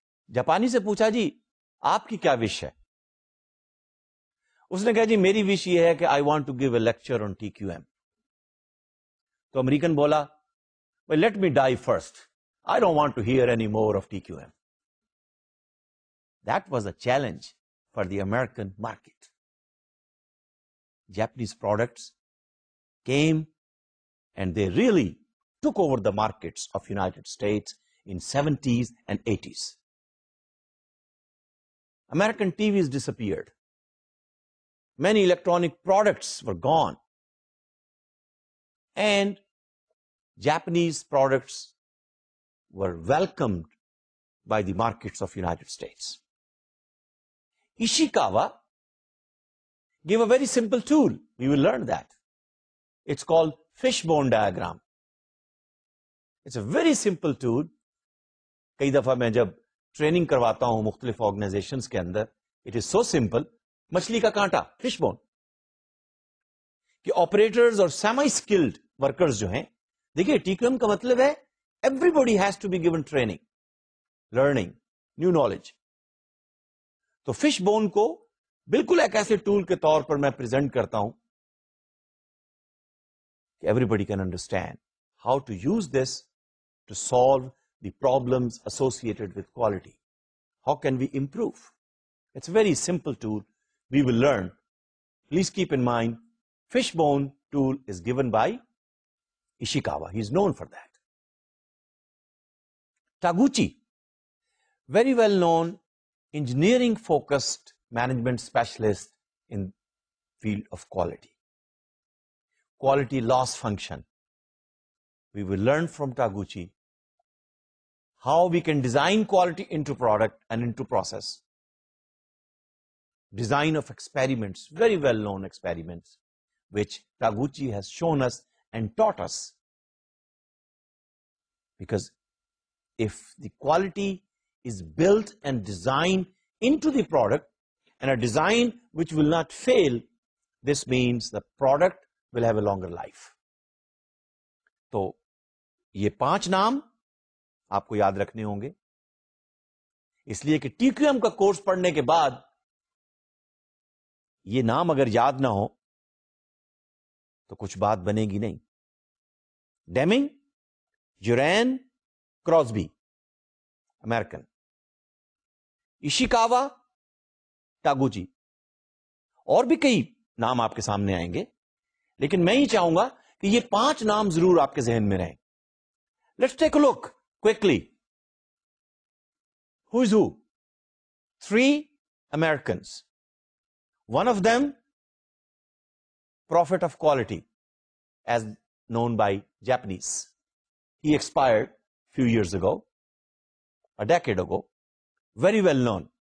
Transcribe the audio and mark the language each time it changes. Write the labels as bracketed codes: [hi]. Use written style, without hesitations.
[ur] جاپانی سے پوچھا جی آپ کی کیا وش ہے؟ اس نے کہا جی میری وش یہ ہے کہ [en] I want to give a lecture on T Q M. [ur] تو امریکن بولا [en] Let me die first, I don't want to hear any more of T Q M. That was a challenge for the American market. Japanese products came and they really took over the markets of United States in 70s and 80s. American TVs disappeared. Many electronic products were gone. And Japanese products were welcomed by the markets of United States. Ishikawa gave a very simple tool. We will learn that. It's called fishbone diagram. It's a very simple tool. [ur] Kai dafa main jab training کرواتا ہوں مختلف organisations کے اندر, [en] it is so simple, [ur] مچھلی کا کانٹا, fish bone, کہ operators اور semi skilled workers جو ہیں, دیکھیے ٹی کیو ایم کا مطلب ہے [en] Everybody has to be given training, learning, new knowledge. [ur] تو فش بون کو بالکل ایک ایسے ٹول کے طور پر میں پریزنٹ کرتا ہوں کہ [en] Everybody can understand how to use this to solve the problems associated with quality. How can we improve? It's a very simple tool. We will learn. Please keep in mind, fishbone tool is given by Ishikawa. He is known for that. Taguchi, very well known engineering focused management specialist in field of quality. Quality loss function. We will learn from Taguchi how we can design quality into product and into process. Design of experiments, very well known experiments, which Taguchi has shown us and taught us. Because if the quality is built and designed into the product, and a design which will not fail, this means the product will have a longer life. [ur] So, ye 5 naam, آپ کو یاد رکھنے ہوں گے, اس لیے کہ T Q M کا course پڑھنے کے بعد یہ نام اگر یاد نہ ہو تو کچھ بات بنے گی نہیں. ڈیمنگ, جورین, کراسبی, امریکن, ایشیکاوا, ٹاگوچی, اور بھی کئی نام آپ کے سامنے آئیں گے, لیکن میں ہی چاہوں گا کہ یہ 5 نام ضرور آپ کے ذہن میں رہیں. [en] Let's take a look quickly, who is who? 3 Americans. One of them prophet of quality, as known by Japanese. He expired a decade ago, very well known.